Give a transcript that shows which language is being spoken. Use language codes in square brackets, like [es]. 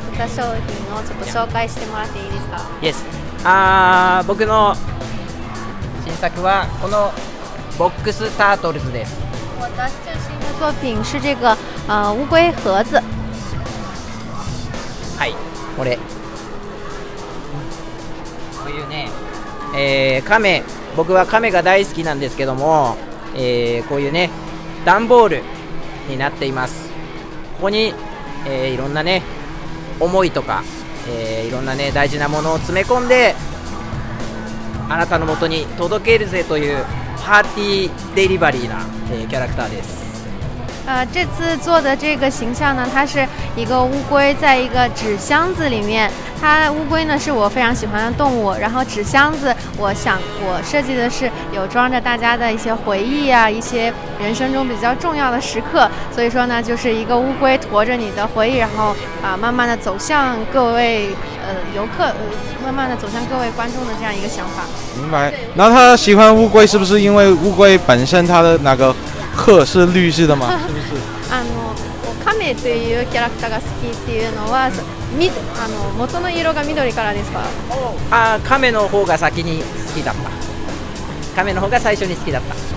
[ja] 商品をちょっと紹介してもらっていいですか？ [en] Yes。 [ja] 僕の新作はこのボックスタートルズです。私の [zh] 新作品是这个乌龟盒子。 [ja] はい、これ。こういうね、亀、僕は亀が大好きなんですけども、こういうね、段ボールになっています。ここに、いろんなね、思いとか、いろんなね大事なものを詰め込んであなたの元に届けるぜというパーティーデリバリーな、キャラクターです。 [zh] 这次做的这个形象呢，它是一个乌龟在一个纸箱子里面。它乌龟呢是我非常喜欢的动物。然后纸箱子，我设计的是有装着大家的一些回忆啊，一些人生中比较重要的时刻。所以说呢，就是一个乌龟驮着你的回忆，然后慢慢的走向各位游客，慢慢的走向各位观众的这样一个想法。明白。那他喜欢乌龟是不是因为乌龟本身它的那个？鹤是绿色的吗？ [ja] あの、亀というキャラクターが好きっていうのは、あの元の色が緑からですか？あ、亀の方が先に好きだった。亀の方が最初に好きだった。